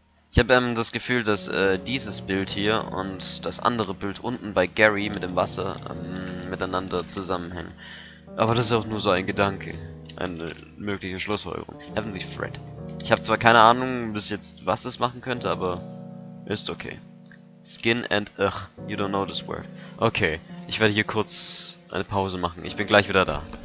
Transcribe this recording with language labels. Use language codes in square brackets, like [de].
[de] Ich hab das Gefühl, dass dieses Bild hier und das andere Bild unten bei Garry mit dem Wasser miteinander zusammenhängen. Aber das ist auch nur so ein Gedanke. Eine mögliche Schlussfolgerung. Heavenly Thread. Ich habe zwar keine Ahnung bis jetzt, was es machen könnte, aber ist okay. [en] Skin and ugh, you don't know this word. [de] Okay, ich werde hier kurz eine Pause machen. Ich bin gleich wieder da.